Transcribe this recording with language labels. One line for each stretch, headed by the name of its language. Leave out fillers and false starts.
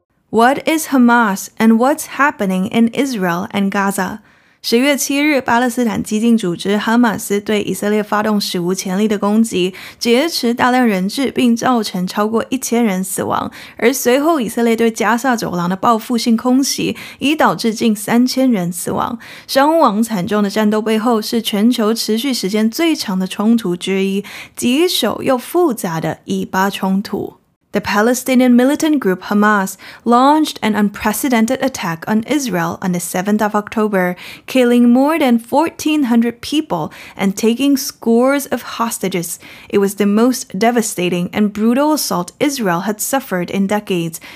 English: What is Hamas and what's happening in Israel and Gaza？
Chinese: 十月七日，巴勒斯坦激进组织哈马斯对以色列发动史无前例的攻击，劫持大量人质，并造成超过1000人死亡。而随后，以色列对加萨走廊的报复性空袭，已导致近3000人死亡。伤亡惨重的战斗背后，是全球持续时间最长的冲突之一——棘手又复杂的以巴冲突。
English: The Palestinian militant group Hamas launched an unprecedented attack on Israel on the 7th of October, killing more than 1,400 people and taking scores of hostages. It was the most devastating and brutal assault Israel had suffered in decades.